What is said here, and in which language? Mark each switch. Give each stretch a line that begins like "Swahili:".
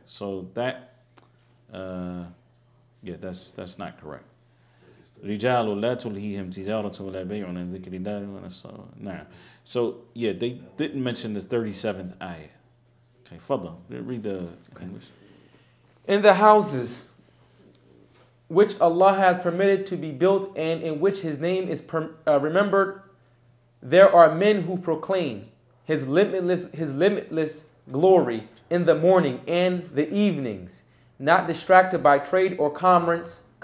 English: So that, that's not correct.
Arabic: رجال لا تلهيهم تجارة ولا بيع عن ذكر الله ولا صلاة. نعم.
English: So yeah, they didn't mention the 37th ayah. Okay, فضل. Read the English. In the houses which Allah has permitted to be built and in which His name is remembered, there are men who proclaim His limitless glory in the morning and the evenings, not distracted by trade or commerce.